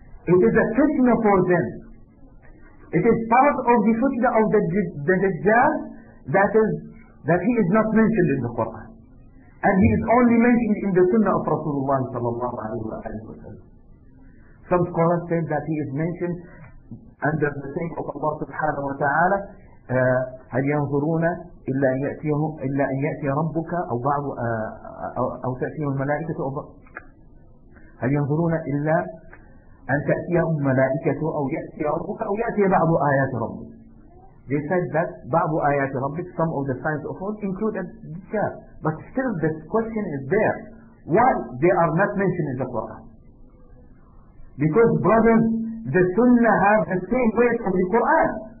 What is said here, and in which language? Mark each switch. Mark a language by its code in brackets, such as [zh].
[en] It is a fitna for them. It is part of the fitna of the Dajjal that he is not mentioned in the Quran. And he is only mentioned in the Sunnah of Rasulullah sallallahu alaihi wasallam. Some scholars say that he is mentioned under the saying of Allah subhanahu wa ta'ala, [ar] هل ينظرون إلا أن يأتيه إلا أن يأتي ربك أو بعض أو تأتيه الملائكة أو هل ينظرون إلا أن تأتيه الملائكة أو يأتي ربك أو يأتي بعض آيات ربك. [en] They said that [ar] بعض آيات ربك, [en] some of the signs of God include Dajjal. But still the question is there. Why they are not mentioned in the Quran? Because, brothers, the Sunnah have the same weight of the Quran.